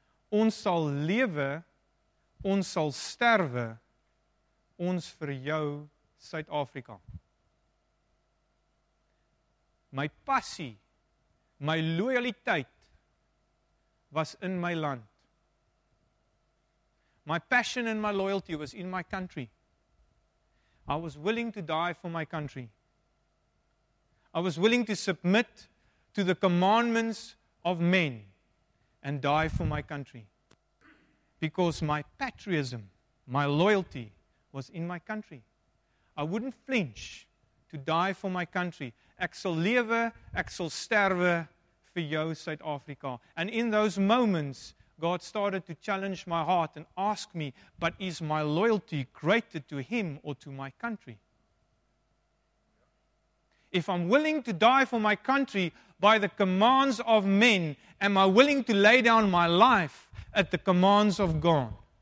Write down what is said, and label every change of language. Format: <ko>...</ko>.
<af>Ons sal lewe, ons sal sterwe, ons vir jou, Suid-Afrika. My passie, my loyaliteit was in my land.</af> <en>My passion and my loyalty was in my country. I was willing to die for my country. I was willing to submit to the commandments of men and die for my country. Because my patriotism, my loyalty was in my country. I wouldn't flinch to die for my country.</en> <af>Ek sal lewe, ek sal sterwe vir jou, Suid-Afrika.</af> <en>And in those moments, God started to challenge my heart and ask me, but is my loyalty greater to him or to my country? If I'm willing to die for my country by the commands of men, am I willing to lay down my life at the commands of God?</en>